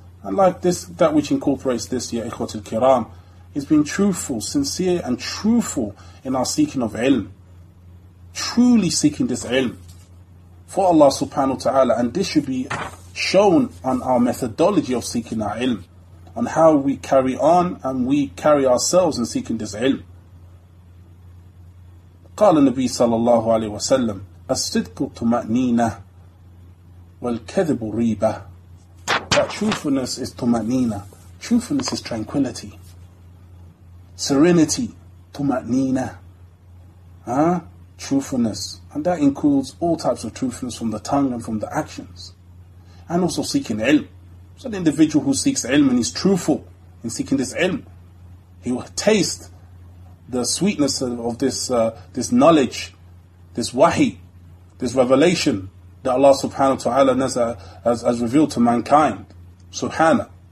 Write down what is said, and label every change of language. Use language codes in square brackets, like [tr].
[en] And like this, that which incorporates this, Ya Ikhwat al-Kiram, is being truthful, sincere and truthful in our seeking of ilm. Truly seeking this ilm for Allah subhanahu wa ta'ala. And this should be shown on our methodology of seeking our ilm, on how we carry on and we carry ourselves in seeking this ilm. [ar] قال النبي صلى الله عليه وسلم الصدق طمأنينة والكذب ريبة. [en] That truthfulness is tumanina. Truthfulness is tranquility, serenity, tumanina. Truthfulness. And that includes all types of truthfulness from the tongue and from the actions. And also seeking ilm. So the individual who seeks ilm and is truthful in seeking this ilm, he will taste the sweetness of this this knowledge, this wahi, this revelation that Allah subhanahu wa ta'ala has revealed to mankind. Subhana.